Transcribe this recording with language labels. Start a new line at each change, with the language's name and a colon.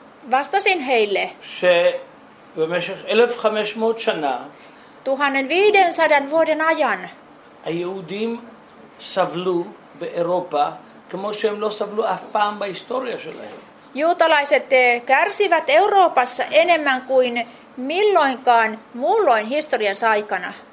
Finnish: Vastasin heille, 1500 vuoden ajan
Hebrew: היהודים סבלו באירופה כמו שהם לא סבלו אף פעם בהיסטוריה שלהם.
Finnish: Juutalaiset kärsivät Euroopassa enemmän kuin milloinkaan muulloin historiansa aikana.